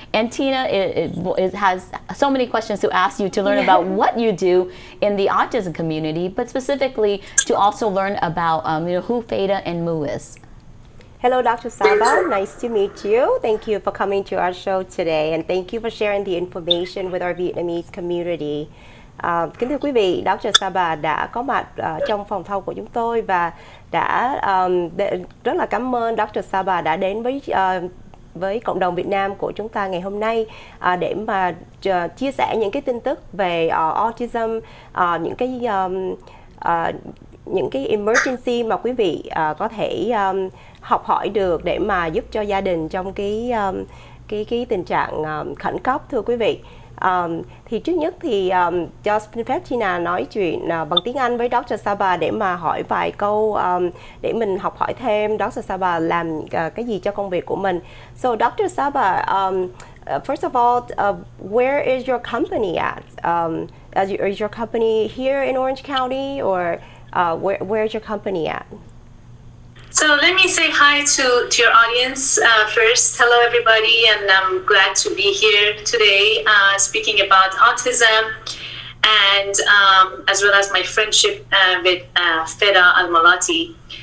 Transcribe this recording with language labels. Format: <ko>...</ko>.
<en>And Tina has so many questions to ask you to learn about what you do in the autism community, but specifically to also learn about who Feda and Mu is. Hello, Dr. Saba. Nice to meet you. Thank you for coming to our show today. And thank you for sharing the information with our Vietnamese community.</en> <vi>Kính thưa quý vị, Dr. Saba đã có mặt trong phòng thâu của chúng tôi và đã rất là cảm ơn Dr. Saba đã đến với cộng đồng Việt Nam của chúng ta ngày hôm nay để mà chia sẻ những cái tin tức về autism, những cái emergency mà quý vị có thể học hỏi được để mà giúp cho gia đình trong cái tình trạng khẩn cấp, thưa quý vị. Thì trước nhất thì cho xin phép Tina nói chuyện bằng tiếng Anh với Dr. Saba để mà hỏi vài câu để mình học hỏi thêm Dr. Saba làm cái gì cho công việc của mình.</vi> <en>So Dr. Saba, first of all, where is your company at? Is your company here in Orange County or where is your company at? So let me say hi to your audience first. Hello, everybody, and I'm glad to be here today speaking about autism and as well as my friendship with Feda Almalati.</en>